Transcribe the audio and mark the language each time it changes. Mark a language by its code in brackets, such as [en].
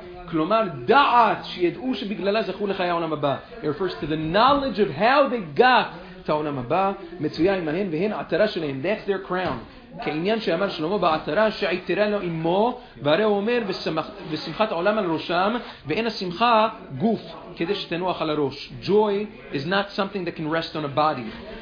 [he] כלומר, דעת שידעו שבגללה זכו לחיי העולם הבא. [en] It refers to the knowledge of how they got to העולם הבא, [he] מצויה עמהן, והן עטרה שלהם. [en] That's their crown. [he] כעניין שאמר שלמה בעטרה שעיטרה לו אמו, והרי הוא אומר, ושמחת העולם על ראשם, ואין השמחה גוף כדי שתנוח על הראש. [en] Joy is not something that can rest on a body.